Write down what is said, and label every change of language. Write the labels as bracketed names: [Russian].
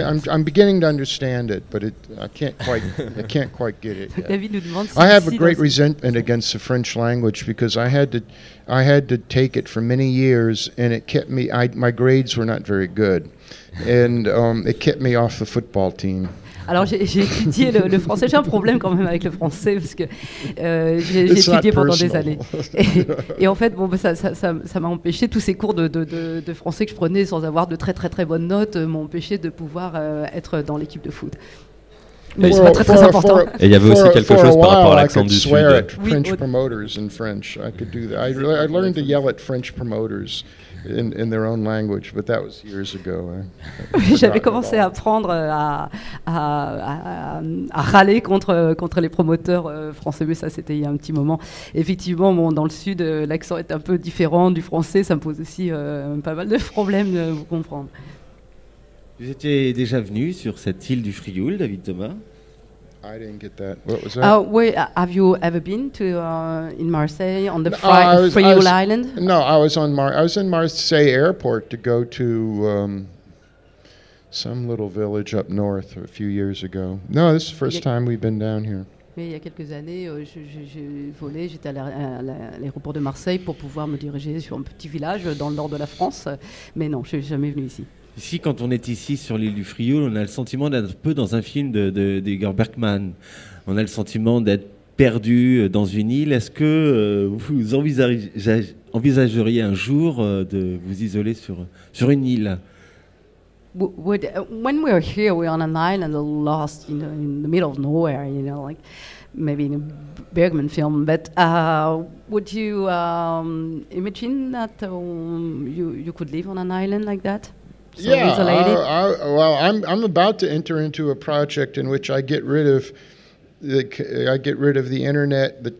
[English] because I'm beginning to understand it, but I can't quite get it. [French] David nous demande. [English] I have a great resentment against the French language because I had to take it for many years, and it kept me. My grades were not very good, and it kept me off the football team. [French] Alors j'ai étudié le français. J'ai un problème quand même avec le français parce que j'ai étudié pendant des années. Et en fait, bon, ça m'a empêché. Tous ces cours de français que je prenais sans avoir de très très très bonnes notes m'ont empêché de pouvoir être dans l'équipe de foot. Mais c'est pas très très important. Et il y avait aussi quelque chose par rapport à l'accent du sud. [English] French promoters in French. I could do that. I learned to yell at French promoters. In their own language, but that was years ago. [French] J'avais commencé à apprendre à râler contre les promoteurs français, mais ça c'était il y a un petit moment. Effectivement, bon, dans le sud, l'accent est un peu différent du français, ça me pose aussi pas mal de problèmes de vous comprendre. Vous étiez déjà venu sur cette île du Frioul, David Thomas? [English] I didn't get that. What was that? Have you ever been to in Marseille on the Frioul Island? No, I was on I was in Marseille Airport to go to some little village up north a few years ago. No, this is the first time we've been down here. [French] Mais il y a quelques années, je volais. J'étais à l'aéroport de Marseille pour pouvoir me diriger sur un petit village dans le nord de la France. Mais non, je suis jamais venu ici. Ici, quand on est ici sur l'île du Frioul, on a le sentiment d'être un peu dans un film d'Igor Bergman. On a le sentiment d'être perdu dans une île. Est-ce que vous envisageriez un jour de vous isoler sur une île? [English] When we're here, we're on an island, lost, you know, in the middle of nowhere, you know, like maybe in a Bergman film. But would you imagine that you could live on an island like that? I'm about to enter into a project in which I get rid of the internet.